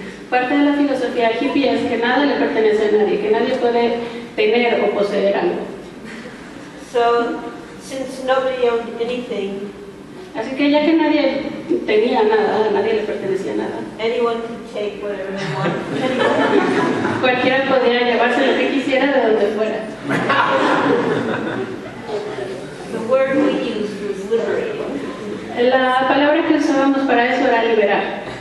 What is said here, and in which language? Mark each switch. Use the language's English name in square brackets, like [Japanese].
[Spanish] Parte de la filosofía hippie es que nada le pertenece a nadie, que nadie puede tener o poseer algo. [English] So, since nobody owned anything, [Spanish] así que ya que nadie tenía nada, nadie le pertenecía nada. [English] Anyone could take whatever they wanted. [Spanish] Cualquiera podía llevarse lo que quisiera de donde fuera. [English] The word we used was liberating. [Spanish] La palabra que usábamos para eso era liberar.